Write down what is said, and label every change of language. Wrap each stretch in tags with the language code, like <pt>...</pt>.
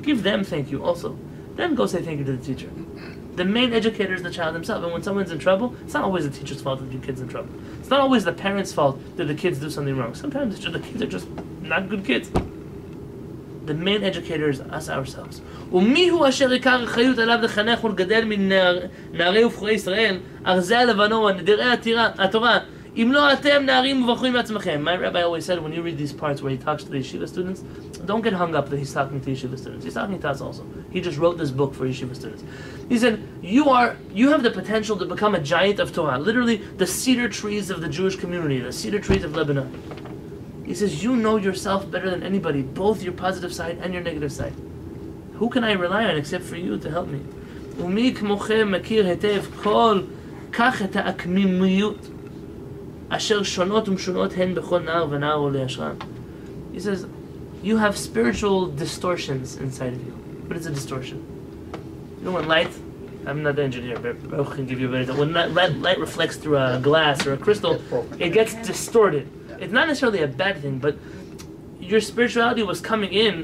<en>Give them thank you also. Then go say thank you to the teacher. The main educator is the child himself. And when someone's in trouble, it's not always the teacher's fault that your kid's in trouble. It's not always the parents' fault that the kids do something wrong. Sometimes it's just the kids are just not good kids. The main educator is us, ourselves.</en> <he>ומיהו אשר יקר חיות עליו לחנך ולגדל מן נערי ופחורי ישראל ארזי הלבנו ונדירי התורה אם לא אתם נערים ובחורים עצמכם.</he> <en>My rabbi always said, when you read these parts where he talks to the yeshiva students, don't get hung up that he's talking to yeshiva students. He's talking to us also. He just wrote this book for yeshiva students. He said, you have the potential to become a giant of Torah, literally the cedar trees of the Jewish community, the cedar trees of Lebanon. He says, you know yourself better than anybody, both your positive side and your negative side. Who can I rely on except for you to help me?</en> <he>ומי כמוכם מכיר היטב כל כך את העקמימיות אשר שונות ומשונות הן בכל נער ונער עולה אשרם.</he> <en>He says, you have spiritual distortions inside of you. What is a distortion? You know when light, I'm not an engineer, but I can give you a better, when light reflects through a glass or a crystal, it gets distorted. It's not necessarily a bad thing, but your spirituality was coming in.</en>